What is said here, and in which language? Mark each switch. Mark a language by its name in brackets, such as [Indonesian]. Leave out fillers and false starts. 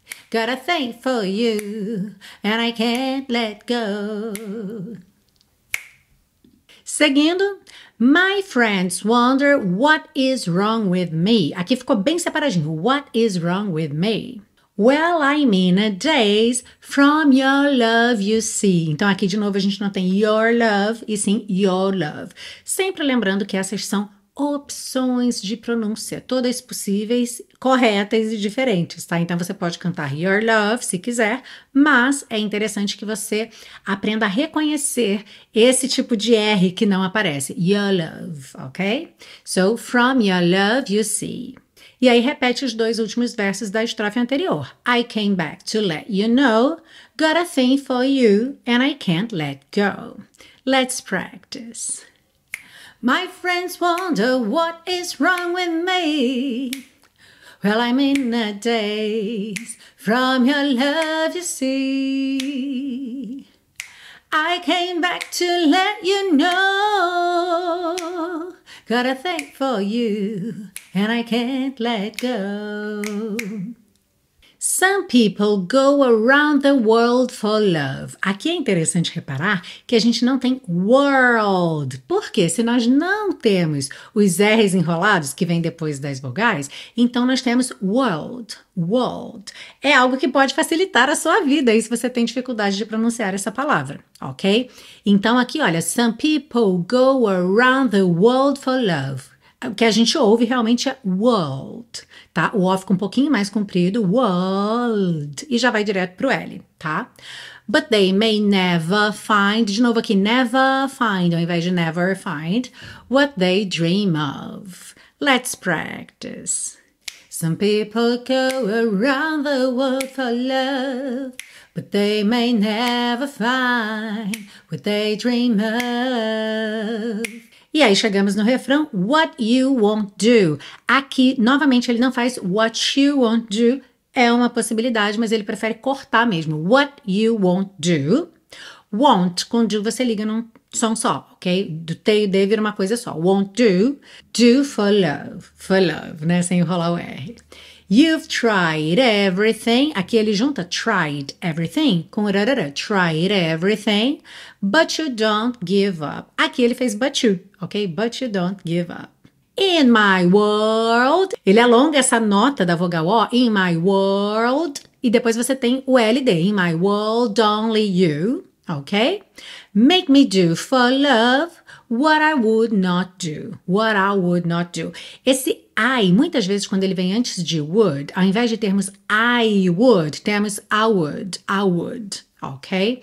[English] Got a thing for you, and I can't let go. [Portuguese] Seguindo, [English] my friends wonder what is wrong with me. [Portuguese] Aqui ficou bem separadinho, [English] what is wrong with me? Well, I'm in a daze from your love, you see. [Portuguese] Então, aqui de novo, a gente não tem your love, e sim your love. Sempre lembrando que essas são opções de pronúncia, todas possíveis, corretas e diferentes, tá? Então, você pode cantar your love, se quiser, mas é interessante que você aprenda a reconhecer esse tipo de R que não aparece, your love, ok? [English] So, from your love, you see. [Portuguese] E aí, repete os dois últimos versos da estrofe anterior. [English] I came back to let you know, got a thing for you, and I can't let go. Let's practice. My friends wonder what is wrong with me. Well, I'm in a daze from your love, you see. I came back to let you know, got a thing for you, and I can't let go. Some people go around the world for love. [Portuguese] Aqui é interessante reparar que a gente não tem world. Porque se nós não temos os R's enrolados, que vem depois das vogais, então nós temos world. World. É algo que pode facilitar a sua vida aí se você tem dificuldade de pronunciar essa palavra, ok? Então aqui, olha, [English] some people go around the world for love. [Portuguese] O que a gente ouve realmente é world, tá? O O fica um pouquinho mais comprido, world, e já vai direto pro L, tá? [English] But they may never find, [Portuguese] de novo aqui, [English] never find, [Portuguese] ao invés de [English] never find, what they dream of. Let's practice. Some people go around the world for love, but they may never find what they dream of. [Portuguese] E aí chegamos no refrão, [English] what you won't do. [Portuguese] Aqui, novamente, ele não faz [English] what you won't do, [Portuguese] é uma possibilidade, mas ele prefere cortar mesmo. [English] What you won't do. [Portuguese] Won't, com do você liga num som só, ok? Do T e D vira uma coisa só. [English] Won't do, do for love, [Portuguese] né? Sem enrolar o R. [English] You've tried everything. [Portuguese] Aqui ele junta tried everything com rarara. [English] Tried everything, but you don't give up. [Portuguese] Aqui ele fez [English] but you, ok? But you don't give up. In my world. [Portuguese] Ele alonga essa nota da vogal O. [English] In my world. [Portuguese] E depois você tem o LD. [English] In my world, only you. Ok? Make me do for love what I would not do. What I would not do. [Portuguese] Esse I, muitas vezes, quando ele vem antes de would, ao invés de termos I would, temos I would, ok?